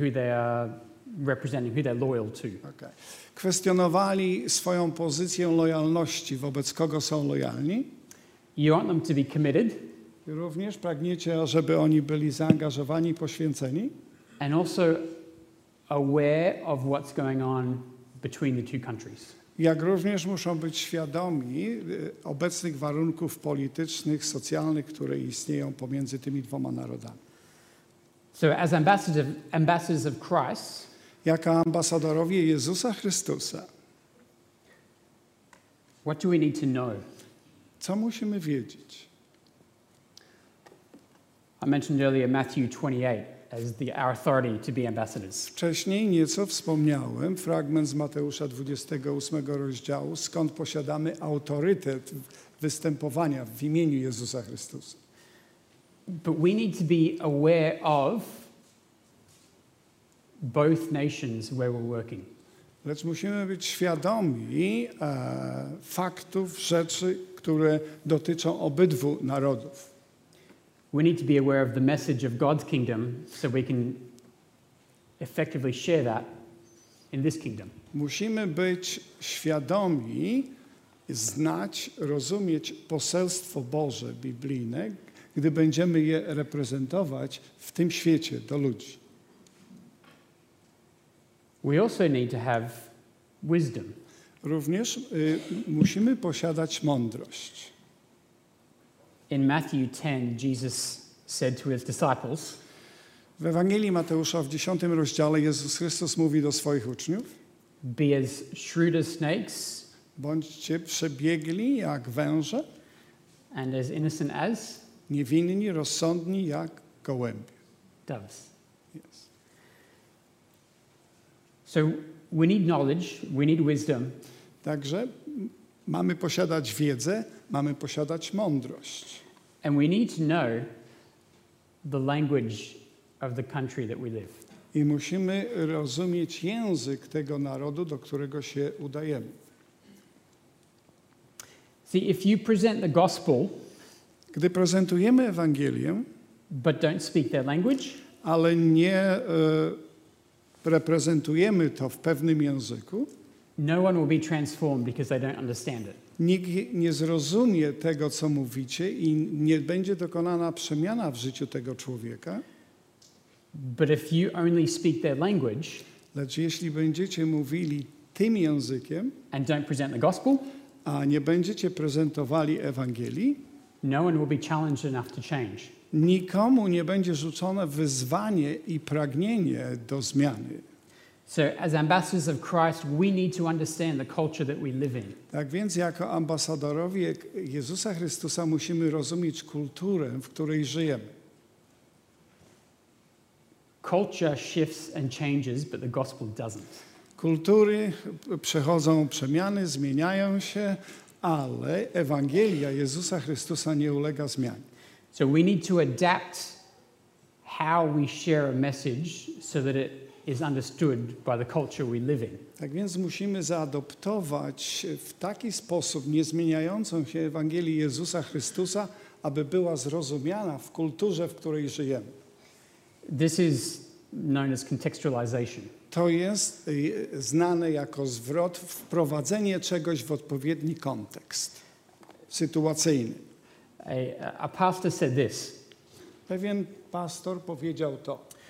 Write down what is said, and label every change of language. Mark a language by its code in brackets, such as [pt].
[en] who they are representing, who they're loyal to. Okay. [pl] Kwestionowali swoją pozycję lojalności, wobec kogo są lojalni. [en] You want them to be committed. [pl] Również pragniecie, żeby oni byli zaangażowani, poświęceni. [en] And also aware of what's going on between the two countries. [pl] Jak również muszą być świadomi obecnych warunków politycznych, socjalnych, które istnieją pomiędzy tymi dwoma narodami. [en] So as ambassadors of Christ, [pl] jako ambasadorowie Jezusa Chrystusa, [en] what do we need to know? [pl] Co musimy wiedzieć? [en] I mentioned earlier Matthew 28 as our authority to be ambassadors. [pl] Wcześniej nieco wspomniałem fragment z Mateusza 28 rozdziału, skąd posiadamy autorytet występowania w imieniu Jezusa Chrystusa. [en] But we need to be aware of both nations where we're working. [pl] Lecz musimy być świadomi faktów, rzeczy, które dotyczą obydwu narodów. [en] We need to be aware of the message of God's kingdom so we can effectively share that in this kingdom. [pl] Musimy być świadomi, znać, rozumieć poselstwo Boże biblijne, gdy będziemy je reprezentować w tym świecie do ludzi. [en] We also need to have wisdom. [pl] Również musimy posiadać mądrość. [en] In Matthew 10, Jesus said to his disciples. [pl] W Ewangelii Mateusza w 10 rozdziale Jezus Chrystus mówi do swoich uczniów: [en] "Be as shrewd as snakes, [pl] bądźcie przebiegli jak węże, [en] and as innocent as [pl] niewinni, rozsądni jak gołębie." [en] Doves. Yes. So we need knowledge, we need wisdom. [pl] Także mamy posiadać wiedzę, mamy posiadać mądrość. [en] And we need to know the language of the country that we live. [pl] I musimy rozumieć język tego narodu, do którego się udajemy. [en] See, if you present the gospel, [pl] gdy prezentujemy Ewangelię, [en] but don't speak their language, [pl] ale nie reprezentujemy to w pewnym języku, [en] no one will be transformed because they don't understand it. [pl] Nikt nie zrozumie tego, co mówicie, i nie będzie dokonana przemiana w życiu tego człowieka. [en] But if you only speak their language, [pl] lecz jeśli będziecie mówili tym językiem, [en] and don't present the gospel, [pl] a nie będziecie prezentowali Ewangelii, [en] no one will be challenged enough to change. [pl] Nikomu nie będzie rzucone wyzwanie i pragnienie do zmiany. [en] So as ambassadors of Christ, we need to understand the culture that we live in. [pl] Tak więc jako ambasadorowie Jezusa Chrystusa musimy rozumieć kulturę, w której żyjemy. [en] Culture shifts and changes, but the gospel doesn't. [pl] Kultury przechodzą przemiany, zmieniają się, ale Ewangelia Jezusa Chrystusa nie ulega zmianie. [en] So we need to adapt how we share a message so that it is understood by the culture we live in. [pl] Tak więc musimy zaadoptować w taki sposób niezmieniającą się Ewangelię Jezusa Chrystusa, aby była zrozumiana w kulturze, w której żyjemy. [en] This is known as contextualization. [pl] To jest znane jako zwrot, wprowadzenie czegoś w odpowiedni kontekst sytuacyjny. [en] A pastor said this. [pl] Pewien pastor powiedział to.